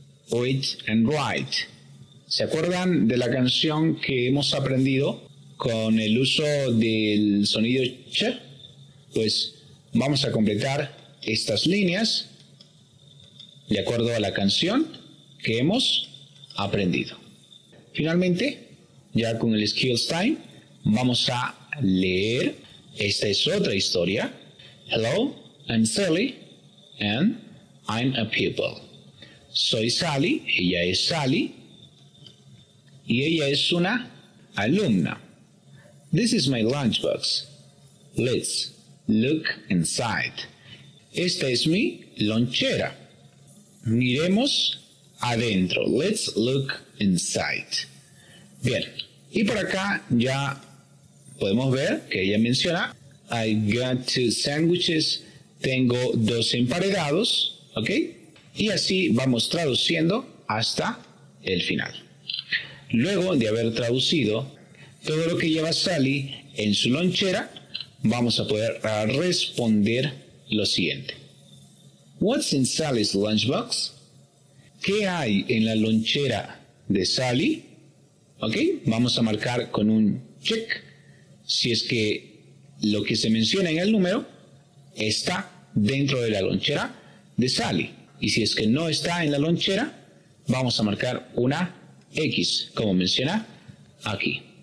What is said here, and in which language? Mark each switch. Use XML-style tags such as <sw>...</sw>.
<en>Read and write.</en> <es>¿Se acuerdan de la canción que hemos aprendido con el uso del sonido ch? Pues vamos a completar estas líneas de acuerdo a la canción que hemos aprendido. Finalmente, ya con el Skills Time, vamos a leer. Esta es otra historia.</es> <en>Hello, I'm Sally, and I'm a pupil.</en> <es>Soy Sally, ella es Sally, y ella es una alumna.</es> <en>This is my lunchbox. Let's look inside.</en> <es>Esta es mi lonchera. Miremos adentro.</es> <en>Let's look inside.</en> <es>Bien, y por acá ya podemos ver que ella menciona</es> <en>I got two sandwiches.</en> <es>Tengo dos emparedados, ¿ok? Y así vamos traduciendo hasta el final. Luego de haber traducido todo lo que lleva Sally en su lonchera, vamos a poder responder lo siguiente.</es> <en>What's in Sally's lunchbox?</en> <es>¿Qué hay en la lonchera de Sally? ¿Ok? Vamos a marcar con un check si es que lo que se menciona en el número está dentro de la lonchera de Sally. Y si es que no está en la lonchera, vamos a marcar una X, como menciona aquí.</es>